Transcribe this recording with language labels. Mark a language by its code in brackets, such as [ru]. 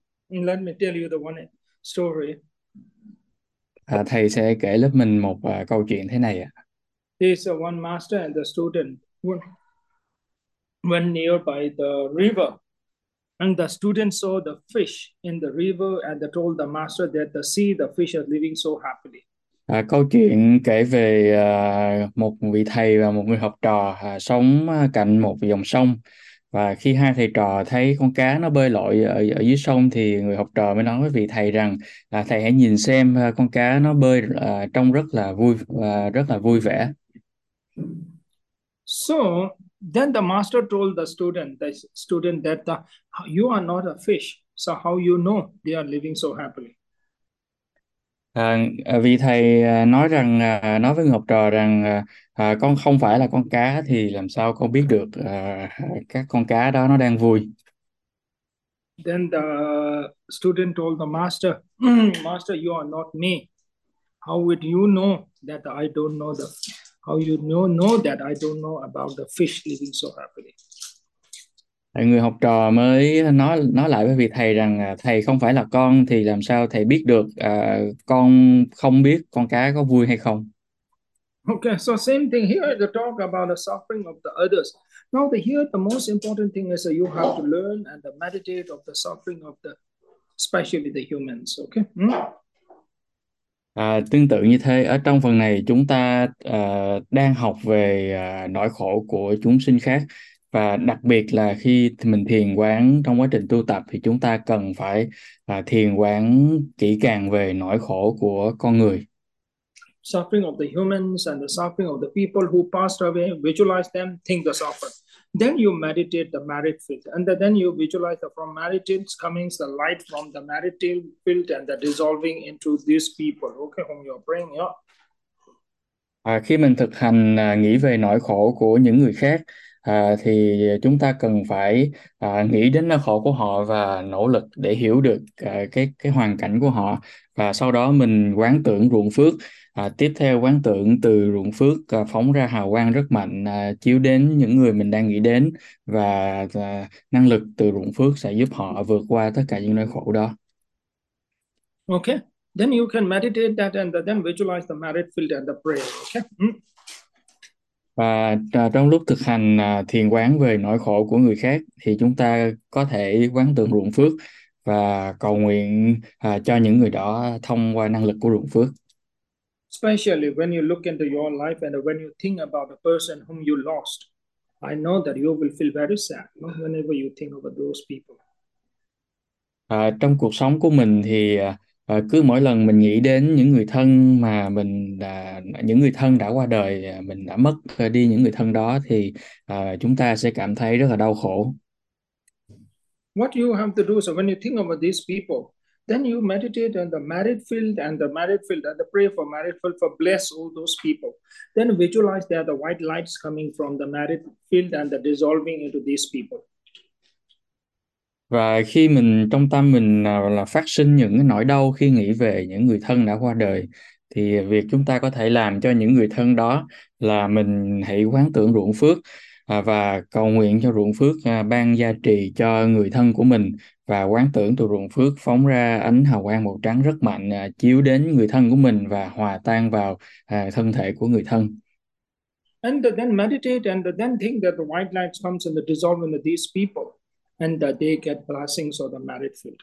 [en] let me tell you the one story. [vi] À, thầy sẽ kể lớp mình một câu chuyện thế này ạ. [en] One master and the student went nearby the river. And the student saw the fish in the river and told the master that the sea, the fish are living so happily. [vi] À, câu chuyện kể về một vị thầy và một người học trò sống cạnh một dòng sông. Và khi hai thầy trò thấy con cá nó bơi lội ở dưới sông thì người học trò mới nói với vị thầy rằng là thầy hãy nhìn xem con cá nó bơi trông rất là vui và rất là vui vẻ. [en] So then the master told the student that you are not a fish, so how you know they are living so happily? [vi] Vì thầy nói rằng nói với người học trò rằng con không phải là con cá thì làm sao con biết được các con cá đó nó đang vui. [en] The student told the master, Master, you are not me. How would you know that I don't know the How you know that I don't know about the fish living so happily? [vi] Người học trò mới nói lại với vị thầy rằng thầy không phải là con thì làm sao thầy biết được con không biết con cá có vui hay không. [en] Okay, so same thing here, the talk about the suffering of the others. Now, here, the most important thing is that you have to learn and meditate of the suffering of the, especially the humans, okay? [vi] À, tương tự như thế, ở trong phần này chúng ta đang học về nỗi khổ của chúng sinh khác. Và đặc biệt là khi mình thiền quán trong quá trình tu tập thì chúng ta cần phải thiền quán kỹ càng về nỗi khổ của con người. [en] Suffering of the humans and the suffering of the people who passed away, visualize them, think the suffering. Then you meditate the merit field. And then you visualize the from merit fields coming the light from the merit field and the dissolving into these people, okay, whom you're praying, yeah. [vi] À, khi mình thực hành nghĩ về nỗi khổ của những người khác thì chúng ta cần phải nghĩ đến nỗi khổ của họ và nỗ lực để hiểu được cái hoàn cảnh của họ, và sau đó mình quán tưởng ruộng phước, tiếp theo quán tưởng từ ruộng phước phóng ra hào quang rất mạnh, chiếu đến những người mình đang nghĩ đến, và năng lực từ ruộng phước sẽ giúp họ vượt qua tất cả những nỗi khổ đó. [en] Okay, then you can meditate that and then visualize the merit field and the prayer. [vi] Và trong lúc thực hành thiền quán về nỗi khổ của người khác thì chúng ta có thể quán tưởng ruộng phước và cầu nguyện cho những người đó thông qua năng lực của ruộng phước. [en] Especially when you look into your life and when you think about the person whom you lost, I know that you will feel very sad, not whenever you think about those people. [vi] Trong cuộc sống của mình thì Cứ mỗi lần mình nghĩ đến những người thân mà mình đã, những người thân đã qua đời, mình đã mất đi những người thân đó thì chúng ta sẽ cảm thấy rất là đau khổ. [en] What you have to do, so when you think about these people, then you meditate on the merit field and the merit field and the pray for merit field for bless all those people. Then visualize there the white lights coming from the merit field and the dissolving into these people. [vi] Và khi mình trong tâm mình là phát sinh những cái nỗi đau khi nghĩ về những người thân đã qua đời, thì việc chúng ta có thể làm cho những người thân đó là mình hãy quán tưởng ruộng phước và cầu nguyện cho ruộng phước ban gia trì cho người thân của mình, và quán tưởng từ ruộng phước phóng ra ánh hào quang màu trắng rất mạnh chiếu đến người thân của mình và hòa tan vào thân thể của người thân. [en] And then meditate and then think that the white light comes and dissolve into these people and that they get blessings of the merit field.